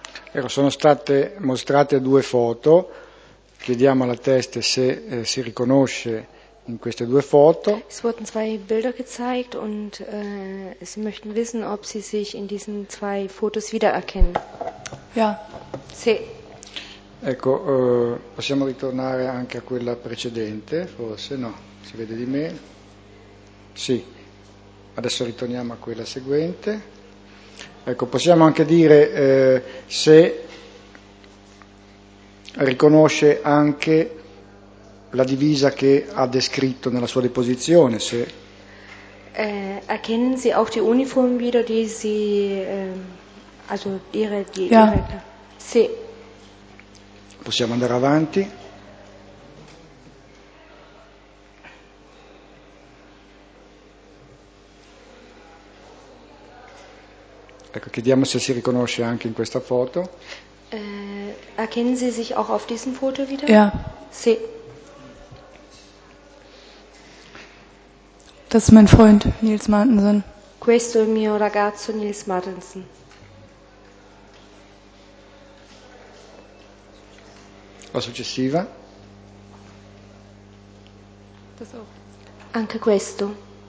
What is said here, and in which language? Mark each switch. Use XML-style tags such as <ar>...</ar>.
<it>Ecco, sono state mostrate due foto, chiediamo alla teste se si riconosce in queste due foto.</it> <de>Es wurden zwei Bilder gezeigt und sie möchten wissen, ob sie sich in diesen zwei Fotos wiedererkennen. Ja.</de> <it>Sì. Ecco, possiamo ritornare anche a quella precedente, forse no, si vede di me. Sì, adesso ritorniamo a quella seguente. Ecco, possiamo anche dire se riconosce anche la divisa che ha descritto nella sua deposizione, se</it> <de>erkennen Sie auch die Uniform wieder, die Sie also dire die ja.</de> <it>Sì. Possiamo andare avanti. Ecco, chiediamo se si riconosce anche in questa foto.</it> <de>Erkennen Sie sich auch auf diesem Foto wieder? Ja.</de> <it>Sì.</it> <de>Das ist mein Freund Nils Martensen.</de> <it>Questo è il mio ragazzo Nils Martensen. La successiva.</it> <de>Das auch.</de> <it>Anche questo.</it>